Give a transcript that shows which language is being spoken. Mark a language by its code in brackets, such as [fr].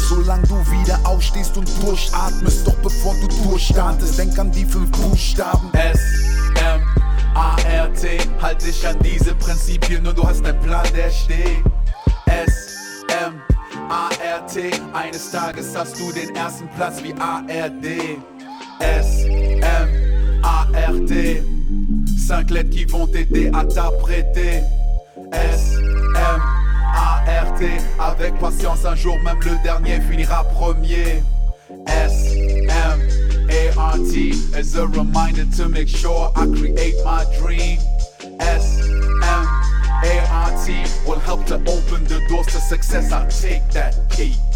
[de] Solange du wieder aufstehst und durchatmest. Doch bevor du durchstartest, denk an die 5 Buchstaben. S.M.A.R.T. Halt dich an diese Prinzipien, nur du hast einen Plan, der steht. S.M.A.R.T. Eines Tages hast du den ersten Platz wie ARD. S.M.A.R.T. [fr] 5 Lettres qui vont t'aider à t'apprêter. S.M.A.R.T. Avec patience, un jour même le dernier finira premier. S.M.A.R.T. [en] is a reminder to make sure I create my dream. S.M.A.R.T. will help to open the doors to success. I take that key.